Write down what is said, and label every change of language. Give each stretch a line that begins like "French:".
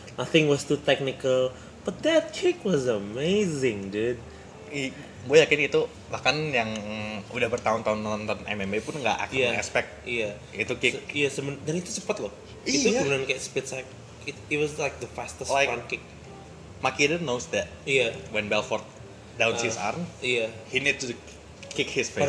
English: Nothing was too technical, but that kick was amazing, dude.
Indonesian: Gue yakin itu bahkan yang udah bertahun-tahun nonton MMA pun nggak akan expect itu kick. Dan itu cepet loh. Itu kemudian kayak speed sack.
English: It was like the fastest like, front kick. Machida knows that. Yeah. When Belfort downs his arm, he need to kick his face.